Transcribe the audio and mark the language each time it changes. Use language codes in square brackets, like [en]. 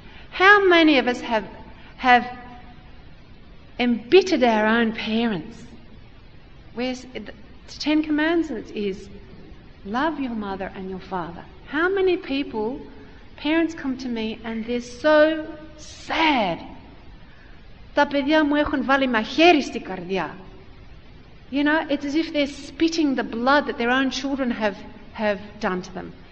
[en] How many of us have embittered our own parents? Where's the Ten Commandments is love your mother and your father. How many people, parents come to me and they're so sad. [el] Τα παιδιά μου έχουν βάλει μαχαίρι στη καρδιά. [en] You know, it's as if they're spitting the blood that their own children have done to them.